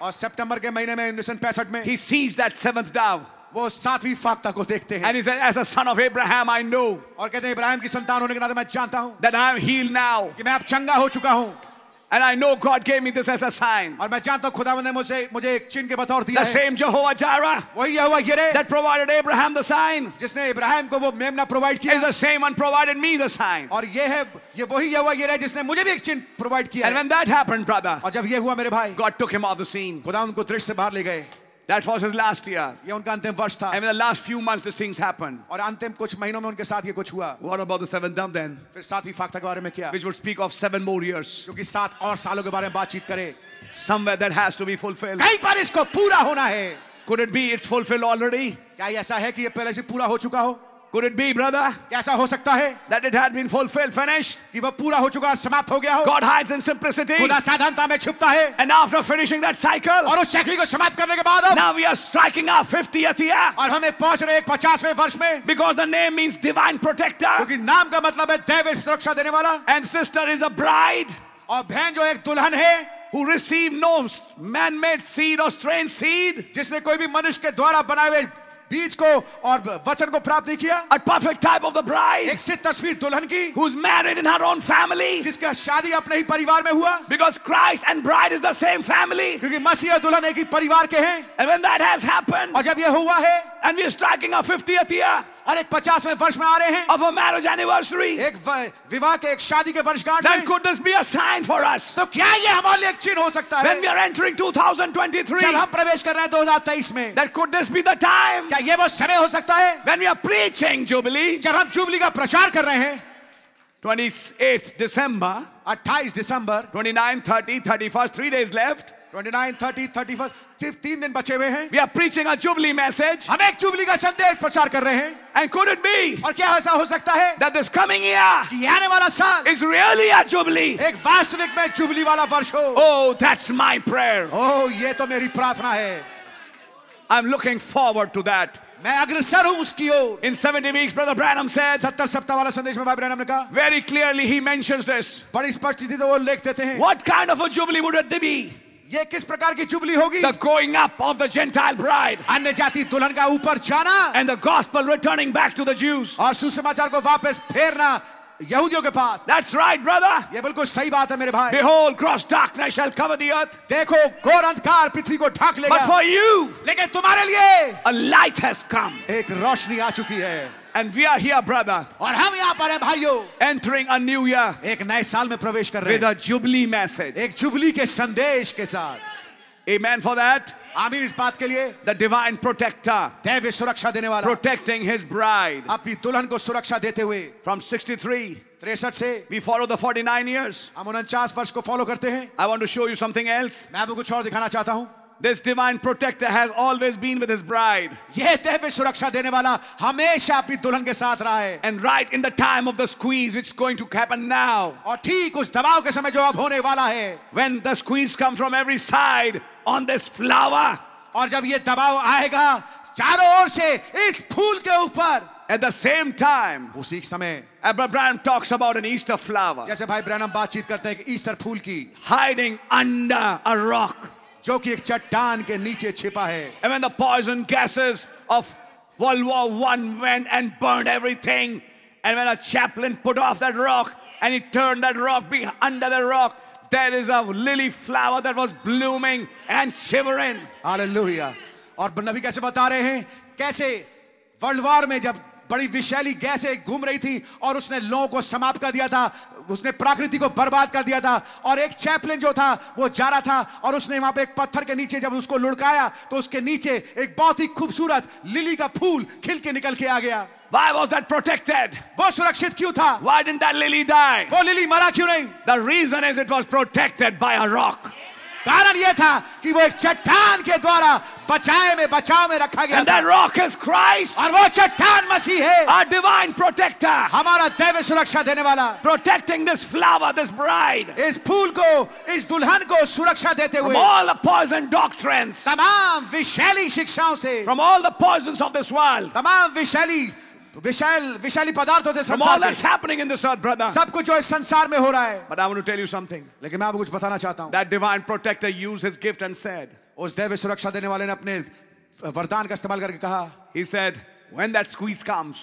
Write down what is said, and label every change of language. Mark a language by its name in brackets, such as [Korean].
[Hindi] और सितंबर के महीने में 1965 में. [English] He sees that 7th dove. [Hindi] वो सातवीं फाख्ता को देखते हैं. [English] And he said, as a son of Abraham, I know. [Hindi] और कहते हैं इब्राहिम की संतान होने के नाते मैं जानता हूँ. [English] That I am healed now. [Hindi] कि मैं अब चंगा हो चुका हूँ. [English] And I know God gave me this as a sign. [Hindi] और मैं जानता हूँ खुदावंद ने मुझे एक चिन्ह के बतौर दिया. [English] The same Jehovah Jireh. [Hindi] वही यहोवा यिरे. [English] That provided Abraham the sign. [Hindi] जिसने इब्राहिम को वो मेमना प्रोवाइड किया. [English] Is the same one provided me the sign. [Hindi] और ये है ये वही यहोवा यिरे जिसने मुझे भी एक चिन्ह प्रोवाइड किया. [English] And when that happened, brother. [Hindi] और जब ये हुआ मेरे भाई. [English] God took him off the scene. [Hindi] खुदावंद को दृश्य से बाहर ले गए. [English] That was his last year. [Hindi] ये उनका अंतिम वर्ष था. [English] And in the last few months, these things happened. [Hindi] और अंतिम कुछ महीनों में उनके साथ ये कुछ हुआ. [English] What about the seventh dove then? [Hindi] फिर सातवीं फाख्ता के बारे में क्या? [English] Which would speak of 7 more years. [Hindi] क्योंकि 7 और सालों के बारे में बातचीत करे. [English] Somewhere that has to be fulfilled. [Hindi] कहीं पर इसको पूरा होना है. [English] Could it be it's fulfilled already? [Hindi] क्या ऐसा है कि ये पहले से पूरा हो चुका हो? [English] Could it be, brother? [Hindi] कैसा हो सकता है? [English] That it had been fulfilled, finished. [Hindi] कि वो पूरा हो चुका, समाप्त हो गया हो. [English] God hides in simplicity. [Hindi] खुदा साधारणता में छुपता है. [English] And after finishing that cycle. [Hindi] और उस चक्री को समाप्त करने के बाद. [English] Now we are striking our 50th year. [Hindi] और हमें पहुंच रहे एक 50वें वर्ष में. [English] Because the name means divine protector. [Hindi] क्योंकि नाम का मतलब है दैवीय सुरक्षा देने वाला. [English] And sister is a bride. [Hindi] और बहन जो एक दुल्हन है. [English] Who received no man-made seed or strange seed. [Hindi] जिसने कोई भी मनुष्य के द्वारा बनाए हुए बीज को और वचन को प्राप्त नहीं किया. [English] A perfect type of the bride. [Hindi] एक सिद्ध तस्वीर दुल्हन की. [English] Who's married in her own family. [Hindi] जिसका शादी अपने ही परिवार में हुआ. [English] Because Christ and bride is the same family. [Hindi] क्योंकि मसीह और दुल्हन एक ही परिवार के हैं. [English] And when that has happened. [Hindi] और जब ये हुआ है. [English] And we are striking our 50th year. [Hindi] और एक 50वें वर्ष में आ रहे हैं [English] of a marriage anniversary [Hindi] एक विवाह के एक शादी के वर्षगांठ [English] में then could this be a sign for us [Hindi] तो क्या ये हमारे लिए एक चिन्ह हो सकता है [English] when we are entering 2023 [Hindi] जब हम प्रवेश कर रहे हैं 2023 में [English] then could this be the time [Hindi] क्या ये वो समय हो सकता है [English] when we are preaching jubilee [Hindi] जब हम जुबली का प्रचार कर रहे हैं [English] 28th December 28 December 29 30 31 3 days left 29, 30, 31, 15 We are preaching a jubilee message. [Hindi] हम एक जुबली का संदेश प्रचार कर रहे हैं. [English] And could it be? [Hindi] और क्या ऐसा हो सकता है? [English] That this coming year, [Hindi] ये आने वाला साल, [English] is really a jubilee. [Hindi] एक वास्तविक में जुबली वाला वर्ष हो. [English] Oh, that's my prayer. [Hindi] Oh, ये तो मेरी प्रार्थना है. [English] I'm looking forward to that. [Hindi] मैं अग्रसर हूं उसकी ओर. [English] In 70 weeks, Brother Branham said. [Hindi] 70 सप्ताह वाला संदेश में भाई ब्रैनम ने कहा. [English] Very clearly he mentions this. [Hindi] बड़ी स्पष्टता से वो लिख देते हैं. [English] What kind of a jubilee would it be? [Hindi] ये किस प्रकार की जुबली होगी? [English] The going up of the Gentile bride. [Hindi] अन्य जाति दुल्हन का ऊपर जाना. [English] And the gospel returning back to the Jews. [Hindi] और सुसमाचार को वापस फेरना यहूदियों के पास. [English] That's right, brother. [Hindi] ये बिल्कुल सही बात है मेरे भाई. [English] Behold, gross darkness shall cover the earth. [Hindi] देखो, घोर अंधकार पृथ्वी को ढक लेगा. [English] But for you. [Hindi] लेकिन तुम्हारे लिए. [English] A light has come. [Hindi] एक रोशनी आ चुकी है. [English] And we are here, brother. [Hindi] और हम यहाँ पर हैं भाइयों. [English] Entering a new year. [Hindi] एक नए साल में प्रवेश कर रहे [English] हैं. With a jubilee message. [Hindi] एक जुबली के संदेश के साथ. [English] Amen for that. [Hindi] आमीन इस बात के लिए. [English] The divine protector. [Hindi] दैव्य सुरक्षा देने वाला. [English] Protecting his bride. [Hindi] अपनी दुल्हन को सुरक्षा देते हुए. [English] From 63. [Hindi] 63 से. [English] We follow the 49 years. [Hindi] हम 49 वर्ष को follow करते हैं. [English] I want to show you something else. [Hindi] मैं आपको कुछ और दिखाना चाहता हूँ. [English] This divine protector has always been with his bride. [Hindi] ये देव सुरक्षा देने वाला हमेशा अपनी दुल्हन के साथ रहा है. [English] And right in the time of the squeeze, which is going to happen now. [Hindi] और ठीक उस दबाव के समय जो अब होने वाला है. [English] When the squeeze comes from every side on this flower. [Hindi] और जब ये दबाव आएगा चारों ओर से इस फूल के ऊपर. [English] At the same time. [Hindi] उसी समय. [English] Abraham talks about an Easter flower. [Hindi] जैसे भाई ब्रैनम बातचीत करते हैं ईस्टर फूल की. [English] Hiding under a rock. [Hindi] जो कि एक चट्टान के नीचे छिपा है. [English] And when the poison gases of World War I went and burned everything, and when a chaplain put off that rock and he turned that rock under the rock, there is a lily flower that was blooming and shivering. Hallelujah. [Hindi] और नबी कैसे बता रहे हैं कैसे world war में जब बड़ी विषैली गैसें घूम रही थी और उसने लोगों को समाप्त कर दिया था, उसने प्रकृति को बर्बाद कर दिया था, और एक चैपलिन जो था वो जा रहा था और उसने वहां पे एक पत्थर के नीचे जब उसको लुढ़काया तो उसके नीचे एक बहुत ही खूबसूरत लिली का फूल खिल के निकल के आ गया. [English] Why was that protected? [Hindi] वो सुरक्षित क्यों था? [English] Why didn't that lily die? [Hindi] वो लिली मरा क्यों नहीं? [English] The reason is it was protected by a rock. [Hindi] कारण यह था कि वो एक चट्टान के द्वारा बचाव में रखा गया. [English] And that rock is Christ. [Hindi] और वो चट्टान मसीह है. [English] Our divine protector. [Hindi] हमारा दैव्य सुरक्षा देने वाला. [English] Protecting this flower, this bride. [Hindi] इस फूल को, इस दुल्हन को सुरक्षा देते हुए. [English] From all the poison doctrines. [Hindi] तमाम विषैली शिक्षाओं से. [English] From all the poisons of this world. [Hindi] तमाम विषैली विषैली पदार्थों से. [English] From all that's happening in this earth, brother. [Hindi] सब कुछ जो इस संसार में हो रहा है. [English] But I want to tell you something. [Hindi] लेकिन मैं आपको कुछ बताना चाहता हूँ. [English] That divine protector used his gift and said. [Hindi] उस दैव्य सुरक्षा देने वाले ने अपने वरदान का इस्तेमाल करके कहा. [English] He said, when that squeeze comes.